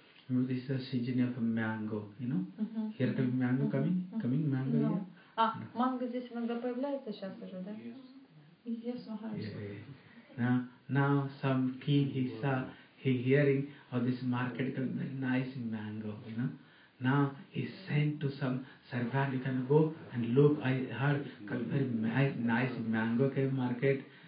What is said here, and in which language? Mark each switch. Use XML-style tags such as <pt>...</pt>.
<en>This is a season of mango, you know? Mm-hmm. Here the mango mm-hmm. coming? Mm-hmm. Coming mango no. here?</en> <ru>Mango здесь иногда появляется сейчас уже, да?</ru> <en>Yes. Yes, Maharaj. Yeah. Now some king he saw, he hearing of this market called nice mango, you know. Now he sent to some servant, you can go and look, I heard called very nice mango came market.</en>